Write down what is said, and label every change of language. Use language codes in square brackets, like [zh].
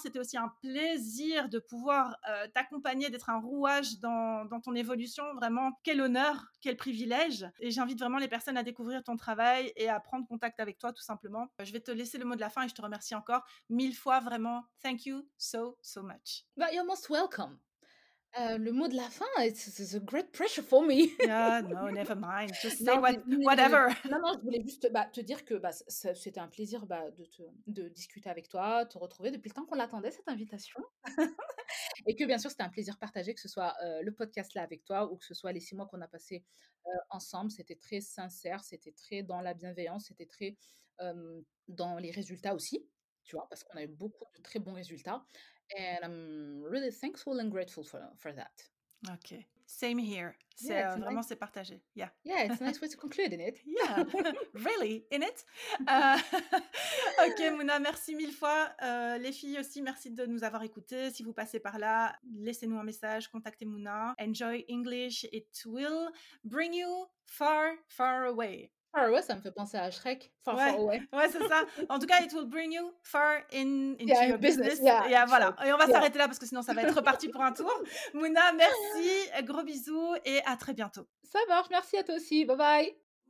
[fr] C'était aussi un plaisir de pouvoir t'accompagner, d'être un rouage dans ton évolution. Vraiment, quel honneur, quel privilège. Et j'invite vraiment les personnes à découvrir ton travail et à prendre contact avec toi, tout simplement. Je vais te laisser le mot de la fin et je te remercie encore mille fois, vraiment. [en] Thank you so, so much. But you're most welcome. [fr] Le mot de la fin, [en] it's a great pressure for me. No, never mind. Just say whatever. [fr] Non, je voulais juste te dire que c'était un plaisir de discuter avec toi, te retrouver depuis le temps qu'on l'attendait, cette invitation. Et que bien sûr, c'était un plaisir partagé, que ce soit le podcast là avec toi ou que ce soit les 6 mois qu'on a passé ensemble. C'était très sincère, c'était très dans la bienveillance, c'était très dans les résultats aussi, tu vois, parce qu'on a eu beaucoup de très bons résultats. [en] And I'm really thankful and grateful for that. Okay. Same here. [fr] C'est vraiment nice. C'est partagé. [en] Yeah. Yeah, it's a nice way to conclude in it. Yeah. Really, in it? [fr] Okay, Mouna, merci mille fois. Les filles aussi, merci de nous avoir écoutées. Si vous passez par là, laissez-nous un message, contactez Mouna. [en] Enjoy English. It will bring you far, far away. Far away, [fr] ça me fait penser à Shrek. [en] Far away. [fr] Ouais, c'est ça. En tout cas, [en] it will bring you far into your business. Yeah, [fr] voilà. Et on va s'arrêter là parce que sinon, ça va être reparti pour un tour. Mouna, merci. Gros bisous et à très bientôt. Ça marche. Merci à toi aussi. Bye bye.